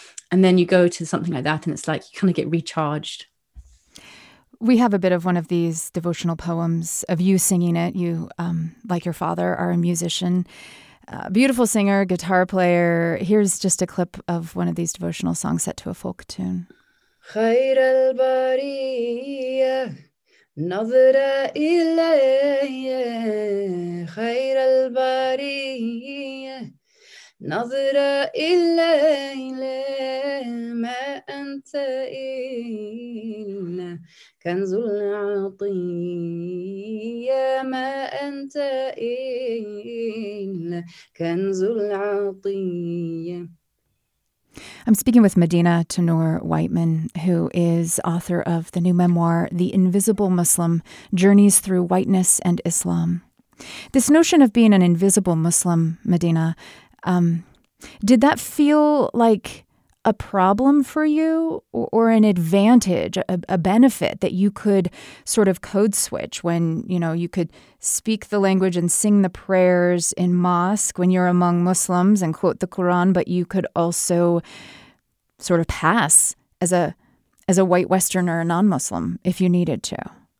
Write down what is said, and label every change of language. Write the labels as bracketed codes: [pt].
[en] And then you go to something like that and it's like you kind of get recharged. We have a bit of one of these devotional poems of you singing it. You, like your father, are a musician, beautiful singer, guitar player. Here's just a clip of one of these devotional songs set to a folk tune. [ar] خير البرية نظرة إلي خير البرية نظرة إلي ما أنت إلا كنز العطية ما أنت إلا كنز العطية. [en] I'm speaking with Medina Tanur Whiteman, who is author of the new memoir, The Invisible Muslim: Journeys Through Whiteness and Islam. This notion of being an invisible Muslim, Medina, did that feel like a problem for you, or an advantage, a benefit that you could sort of code switch when, you know, you could speak the language and sing the prayers in mosque when you're among Muslims and quote the Quran, but you could also sort of pass as a white Westerner, a non-Muslim, if you needed to?